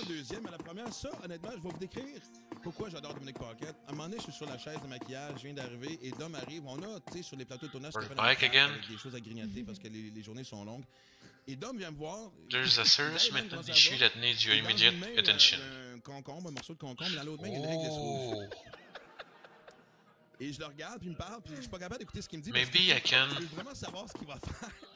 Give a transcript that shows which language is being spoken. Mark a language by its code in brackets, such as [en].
[fr] La deuxième, la première, ça, honnêtement, je vais vous décrire pourquoi j'adore Dominique Paquette. À un moment donné, je suis sur la chaise de maquillage, je viens d'arriver et Dom arrive. On a, tu sais, sur les plateaux de tournage, on a des choses à grignoter parce que les journées sont longues. Et Dom vient me voir. [en] There's a serious maintenance issue that needs your immediate attention. [fr] Un morceau de concombre, dans l'autre main, il y a une règle de sauce. Et je le regarde, puis il me parle, puis je suis pas capable d'écouter ce qu'il me dit. [en] Maybe I can. [fr] Je veux vraiment savoir ce qu'il va faire.